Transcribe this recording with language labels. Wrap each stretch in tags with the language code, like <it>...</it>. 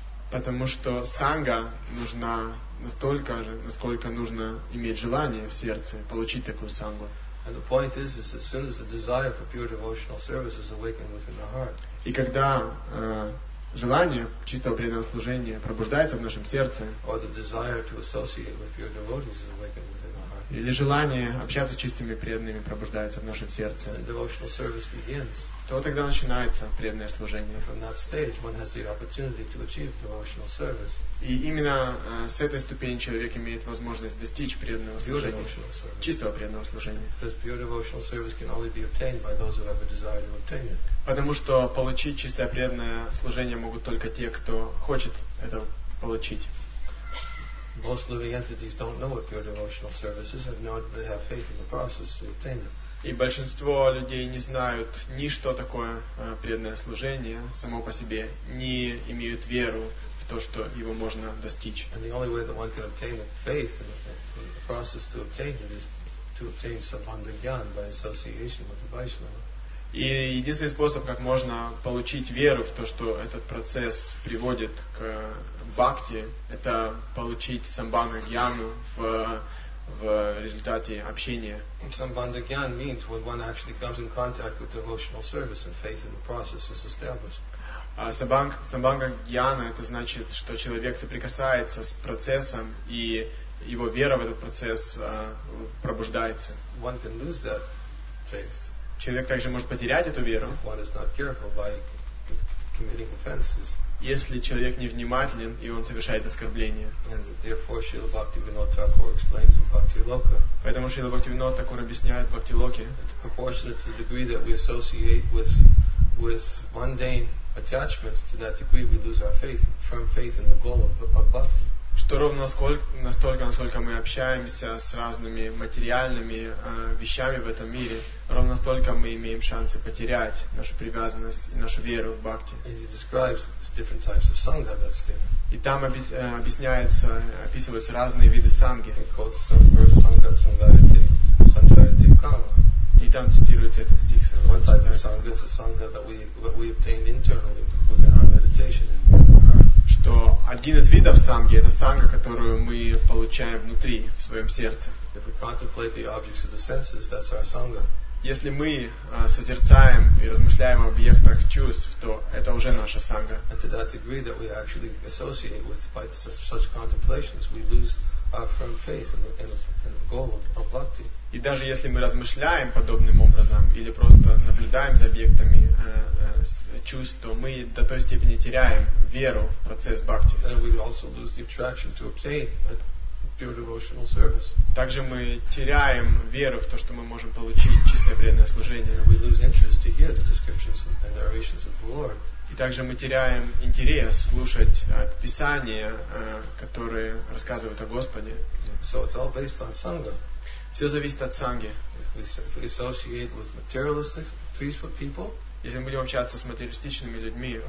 <ru>Потому что санга нужна настолько же, насколько нужно иметь желание в сердце получить такую сангу.</ru> <en>And the point is as soon as the desire for pure devotional service is awakened within the heart.</en> <ru>И когда желание чистого преданного служения пробуждается в нашем сердце,</ru> <en>or the desire to associate with pure devotees is awakened within the heart.</en> <ru>Или желание общаться с чистыми преданными пробуждается в нашем сердце,</ru> <en>and the devotional service begins.</en> <ru>То тогда начинается преданное служение.</ru> <en>From that stage one has the opportunity to achieve devotional service.</en> <ru>И именно с этой ступени человек имеет возможность достичь преданного служения, чистого преданного служения.</ru> <en>Because pure devotional service can only be obtained by those who have a desire to obtain it.</en> <ru>Потому что получить чистое преданное служение могут только те, кто хочет это получить.</ru> <en>Most living entities don't know what pure devotional service is, nor do they have faith in the process to obtain it.</en> <ru>И большинство людей не знают ни что такое преданное служение само по себе, не имеют веру в то, что его можно достичь.</ru> <en>And the only way that one can obtain the faith and the process to obtain it is to obtain sabandha gyan by association with the Vaishnava.</en> <ru>И единственный способ, как можно получить веру в то, что этот процесс приводит к бхакти, это получить сабандха гьяну в результате общения.</ru> <en>Sambandha gyan means when one actually comes in contact with devotional service and faith in the process is established.</en> <ru>Sambandha gyana это значит, что человек соприкасается с процессом и его вера в этот процесс пробуждается.</ru> <en>One can lose that faith.</en> <ru>Человек также может потерять эту веру.</ru> <en>If one is not careful by committing offenses.</en> <ru>Если человек невнимателен и он совершает оскорбление.</ru> <en>And therefore Śrīla Bhaktivinoda Thakura explains in Bhakti Loka.</en> <ru>Поэтому Śrīla Bhaktivinoda Thakura объясняет в Bhakti Loki.</ru> <en>Proportionate to the degree that we associate with mundane attachments, to that degree we lose our faith, firm faith in the goal of bhakti.</en> <ru>Что ровно насколько мы общаемся с разными материальными вещами в этом мире, ровно столько мы имеем шансы потерять нашу привязанность и нашу веру в бхакти.</ru> <en>And he describes different types of sangha, that's there.</en> <ru>И там объясняется, описываются разные виды санги.</ru> <en>He quotes some verse, sangha, kama.</en> <ru>И там цитируется этот стих.</ru> <en>One type of sangha is a sangha that we obtain internally within our meditation.</en> <ru>Что один из видов санги это санга, которую мы получаем внутри, в своем сердце.</ru> <en>If we contemplate the objects of the senses, that's our sangha.</en> <ru>Если мы созерцаем и размышляем об объектах чувств, то это уже наша санга.</ru> <en>And to that degree that we actually associate with by such contemplations, we lose our firm faith in the goal of bhakti.</en> <ru>И даже если мы размышляем подобным образом или просто наблюдаем за объектами чувств, то мы до той степени теряем веру в процесс бхакти.</ru> <en>And we also lose the attraction to obtain it. Pure devotional service.</en> <ru>Также мы теряем веру в то, что мы можем получить чистое преданное служение.</ru> <en>We lose interest to hear the descriptions and narrations of the Lord.</en> <ru>И также мы теряем интерес слушать писания, которые рассказывают о Господе.</ru> <en>So it's all based on sangha.</en> <ru>Все зависит от санги.</ru> <en>If we associate with materialistic, peaceful people.</en> <ru>Если мы будем общаться с материалистичными людьми,</ru>